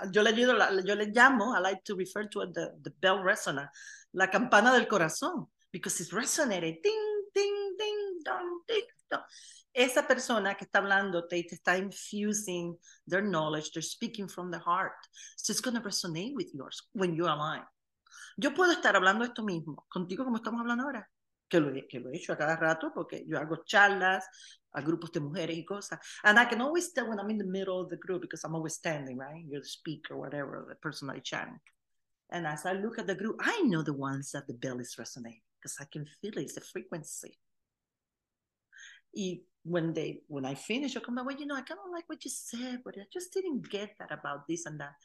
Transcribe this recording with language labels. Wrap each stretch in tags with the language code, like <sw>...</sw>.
<en>Yo le llamo, I like to refer to it, the bell resonance, la campana del corazón, because it's resonating, ding, ding, ding, dong, ding, dong. Esa persona que está hablando te está infusing their knowledge, they're speaking from the heart. So it's going to resonate with yours when you align.</en> <es>Yo puedo estar hablando esto mismo contigo como estamos hablando ahora, que lo he hecho a cada rato porque yo hago charlas a grupos de mujeres y cosas.</es> <en>And I can always tell when I'm in the middle of the group because I'm always standing, right? You're the speaker, whatever, the person I channel. And as I look at the group, I know the ones that the bell is resonating because I can feel it, it's the frequency. When I finish, I come back, well, you know, I kind of like what you said, but I just didn't get that about this and that.</en>